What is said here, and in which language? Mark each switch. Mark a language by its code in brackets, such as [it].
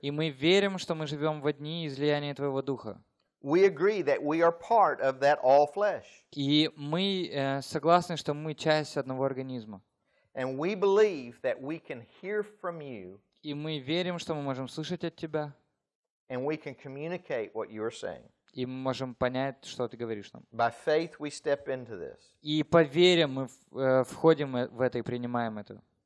[ru] И мы верим, что мы живём в дни излияния твоего духа. [en] We agree that we are part of that all flesh. [ru] И мы согласны, что мы часть одного организма. [en] And we believe that we can hear from you. [ru] И мы верим, что мы можем слышать от тебя. [en] And we can communicate what you are saying. [ru] И мы можем понять, что ты говоришь нам. [en] By faith we step into this. [ru] И по вере мы входим в это и принимаем это.